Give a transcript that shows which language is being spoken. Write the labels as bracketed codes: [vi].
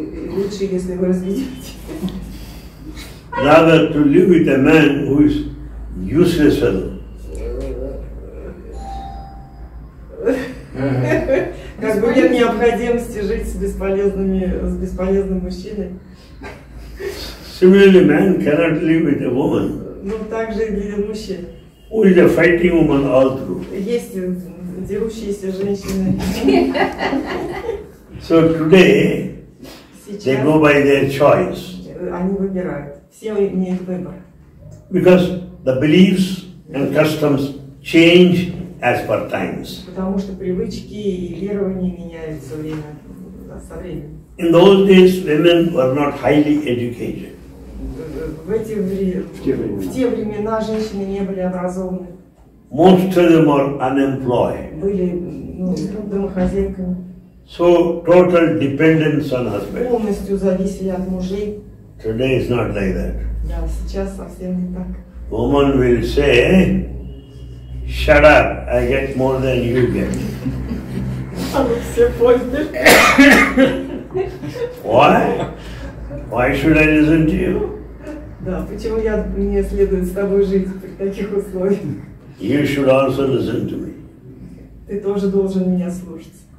[ru] Лучше, если вы разведетесь. [en] Rather to live with a man who is useless fellow. [ru] Как бы нет необходимости жить с бесполезным мужчиной. [en] Similarly, man cannot live with a woman. [ru] Ну, так же и для мужчин. [en] Who is a fighting woman all through? [ru] Есть дерущиеся женщины. [en] So today, they go by their choice. [ru] Они выбирают. Все имеют выбор. [en] Because the beliefs and customs change as per times. [ru] Потому что привычки и верования меняются со временем. [en] In those days, women were not highly educated. [ru] В те времена женщины не были образованы. [en] Most of them were unemployed. [ru] Были, ну, домохозяйками. [en] So total dependence on husband. [ru] Полностью зависели от мужей. [en] Today is not like that. [ru] Да, сейчас совсем не так. [en] Woman will say, "Shut up! I get more than you get." [ru] А вы все поздно. [en] Why? Why should I listen to you? [ru] Да, почему я не следую с тобой жить при таких условиях? [en] You should also listen to me. [ru] Ты тоже должен меня слушать.